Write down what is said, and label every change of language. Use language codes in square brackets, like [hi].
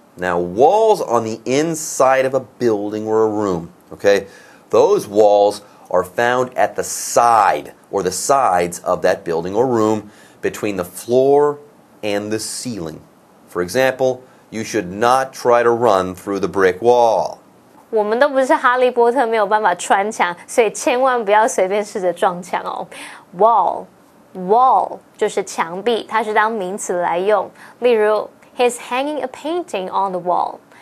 [en] Now, walls on the inside of a building or a room, okay? Those walls are found at the side or the sides of that building or room between the floor and the ceiling. For example, you should not try to run through the brick wall. [zh] 我们都不是哈利波特，没有办法穿墙，所以千万不要随便试着撞墙哦。 Wall 就是墙壁，它是当名词来用。例如 [en] ，He's hanging a painting on the wall.